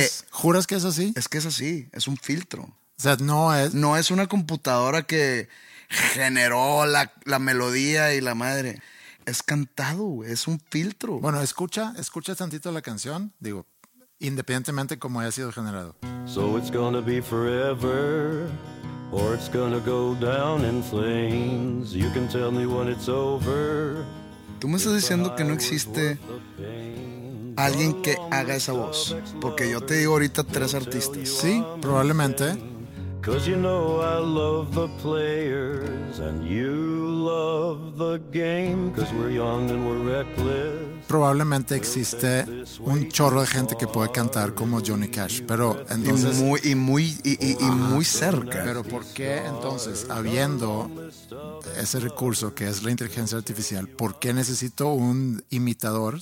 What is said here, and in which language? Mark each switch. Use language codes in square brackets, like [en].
[es] ¿Juras que es así? Es que es así, es un filtro. O sea, no es una computadora que generó la melodía y la madre. Es cantado, güey, es un filtro. Bueno, escucha tantito la canción, digo, independientemente como haya sido generado. [en] So it's gonna be forever, or it's gonna go down in flames. You can tell me when it's over. [es] Tú me estás diciendo que no existe alguien que haga esa voz, porque yo te digo ahorita tres artistas. Sí, probablemente. [en] Cause you know I love the players and you love the game, cause we're young and we're reckless. [es] Probablemente existe un chorro de gente que puede cantar como Johnny Cash, pero entonces... Y muy cerca. Pero ¿por qué entonces, habiendo ese recurso que es la inteligencia artificial, ¿por qué necesito un imitador?